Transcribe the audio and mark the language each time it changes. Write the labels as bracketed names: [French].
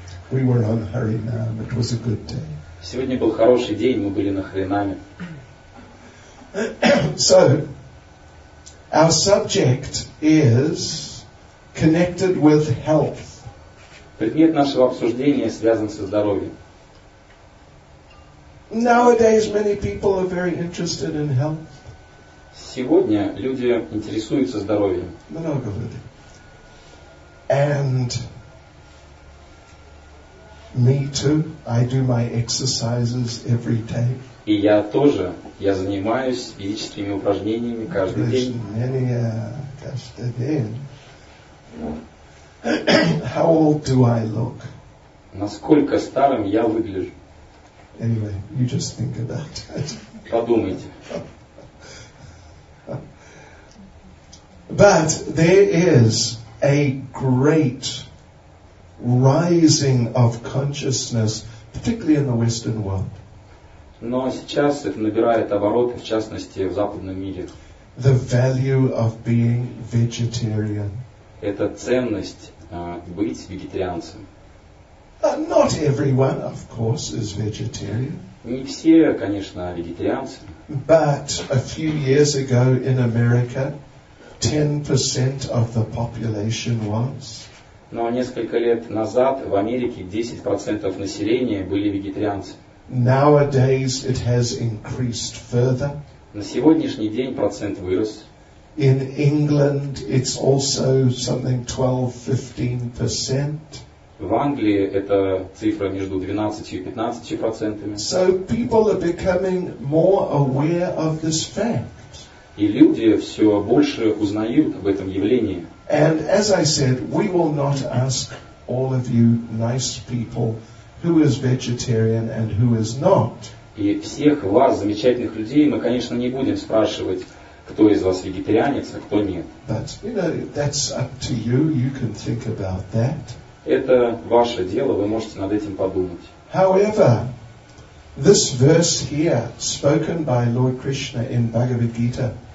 [English] We were on Harinam. It was a good day. [Russian] Сегодня был хороший день, мы были на Харинаме. [English] So, our subject is connected with health. [Russian] Предмет нашего обсуждения связан со здоровьем. [English] Nowadays, many people are very interested in health. [Russian] Сегодня люди интересуются здоровьем. Много людей. [English] And me too. I do my exercises every day. [Russian] И я тоже. Я занимаюсь физическими упражнениями каждый день. Каждый день. [English] How old do I look? [Russian] Насколько старым я выгляжу? [English] Anyway, you just think about it. [Russian] Подумайте. [English] But there is a great rising of consciousness, particularly in the Western world. [Russian] Но сейчас это набирает обороты, в частности, в западном мире. [English] The value of being vegetarian. [Russian] Это ценность быть вегетарианцем. [English] Not everyone, of course, is vegetarian. [Russian] Не все, конечно, вегетарианцы. [English] But a few years ago in America, 10% of the population was. [Russian] Но несколько лет назад в Америке 10% населения были вегетарианцы. [English] Nowadays it has increased further. [Russian] На сегодняшний день процент вырос. [English] In England it's also something 12-15%. [Russian] В Англии это цифра между 12 и 15%. [English] So people are becoming more aware of this fact. [Russian] И люди все больше узнают об этом явлении. [English] And as I said, we will not ask all of you nice people who is vegetarian and who is not. [Russian] И всех вас, замечательных людей, мы, конечно, не будем спрашивать, кто из вас вегетарианец, а кто нет. [English] But, you know, that's up to you. You can think about that. [Russian] Это ваше дело, вы можете над этим подумать. [English] However, this verse here, spoken by Lord Krishna in Bhagavad Gita,